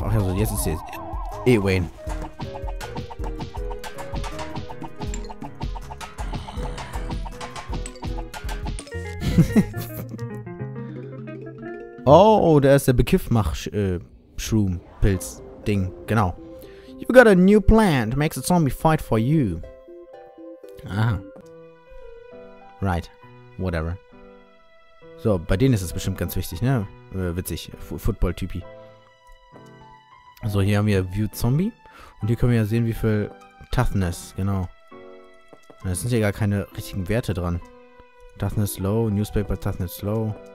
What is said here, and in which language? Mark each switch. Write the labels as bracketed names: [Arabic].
[German] Ach ja, also jetzt ist es Wayne. Oh, da ist der Bekiffmach-Shroom-Pilz-Ding. Genau. [English] You got a new plan to make the zombie fight for you. Ah. Right. Whatever. [German] So, bei denen ist es bestimmt ganz wichtig, ne? Witzig. Football-Typi. So, hier haben wir View Zombie. Und hier können wir ja sehen, wie viel Toughness, genau. Da sind ja gar keine richtigen Werte dran. [English] Toughness Low, Newspaper Toughness Low.